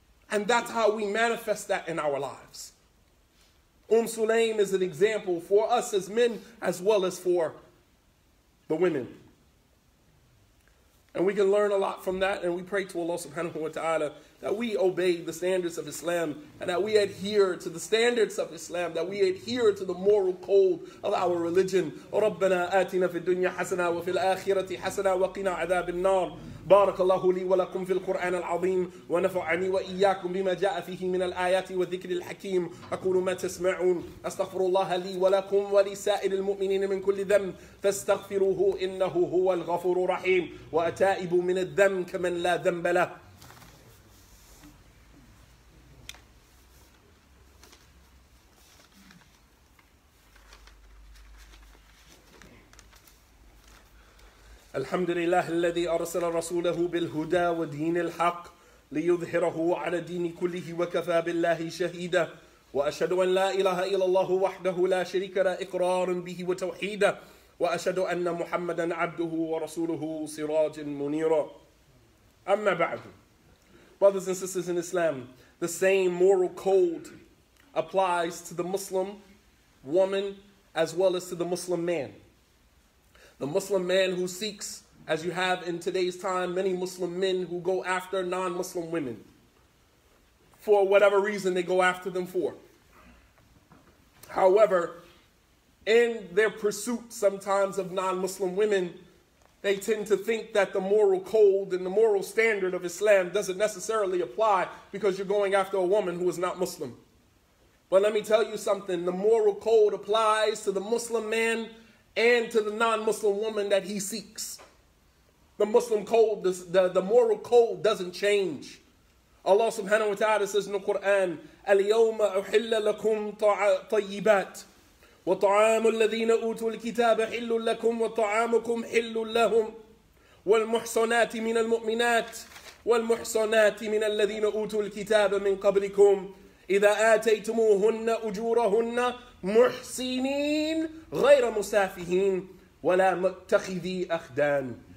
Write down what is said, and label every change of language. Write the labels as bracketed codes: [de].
[en] And that's how we manifest that in our lives. Sulaim is an example for us as men as well as for the women. And we can learn a lot from that, and we pray to Allah subhanahu wa ta'ala that we obey the standards of Islam, and that we adhere to the standards of Islam, that we adhere to the moral code of our religion. [ar] رَبَّنَا آتِنَا فِي الدُّنْيَا حَسَنًا وَفِي الْآخِرَةِ حَسَنًا وَقِنَا عَذَابِ النَّارِ. بارك الله لي ولكم في القرآن العظيم ونفعني وإياكم بما جاء فيه من الآيات والذكر الحكيم. أقول ما تسمعون, أستغفر الله لي ولكم ولسائر المؤمنين من كل ذنب فاستغفروه إنه هو الغفور الرحيم. وأتائب من الذنب كمن لا ذنب له. الحمد لله الذي أرسل رسوله بالهدى ودين الحق ليظهره على دين كله وكفى بالله شهيدا. وأشهد أن لا إله إلا الله وحده لا شريك له إقرارا به وتوحيدا. وأشهد أن محمدا عبده ورسوله سراج منيرا. [en] أما بعد, brothers and sisters in Islam, the same moral code applies to the Muslim woman as well as to the Muslim man. The Muslim man who seeks, as you have in today's time, many Muslim men who go after non-Muslim women for whatever reason they go after them for. However, in their pursuit sometimes of non-Muslim women, they tend to think that the moral code and the moral standard of Islam doesn't necessarily apply because you're going after a woman who is not Muslim. But let me tell you something, the moral code applies to the Muslim man and to the non-Muslim woman that he seeks. The Muslim code, the moral code doesn't change. [ar] Allah subhanahu wa ta'ala says in the Quran, اليوم أحل لكم طيبات وطعام الذين أوتوا الكتاب حل لكم وطعامكم حل لهم والمحصنات من المؤمنات والمحصنات من الذين أوتوا الكتاب من قبلكم إذا آتيتموهن أجورهن محسنين غير مسافهين ولا متخذي أخدان.